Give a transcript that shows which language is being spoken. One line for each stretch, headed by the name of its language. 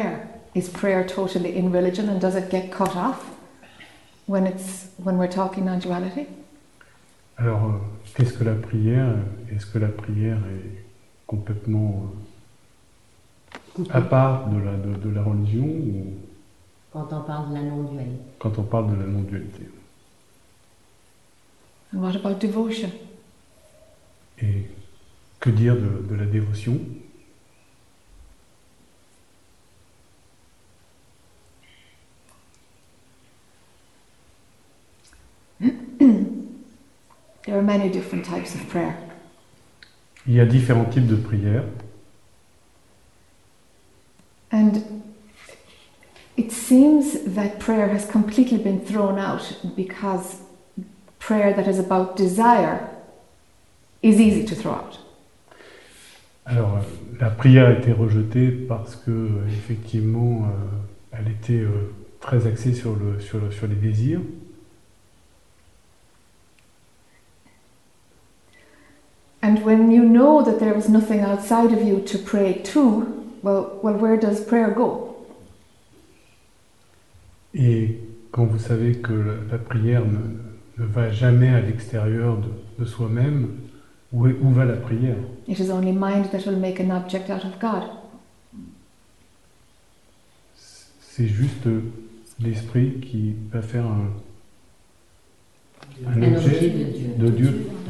English: So what about prayer? Is prayer totally in religion and does it get cut off when we're talking non-duality?
French: Alors, qu'est-ce que la prière? Est-ce que la prière est complètement à part de la religion ou... Quand on parle de la non-dualité. Quand on parle de la non-dualité.
English: And what about devotion?
French: Et que dire de la dévotion?
English: There are many different types of prayer.
French: Il y a différents types de prières.
English: And it seems that prayer has completely been thrown out because prayer that is about desire is easy to throw out.
French: Alors, la prière a été rejetée parce que effectivement elle était très axée sur les désirs.
English: And when you know that there is nothing outside of you to pray to, well, where does prayer go?
French: Et quand vous savez que la prière ne va jamais à l'extérieur de soi-même, où va la prière?
English: It is only mind that will make an object out of God.
French: C'est juste l'esprit qui va faire un objet de Dieu.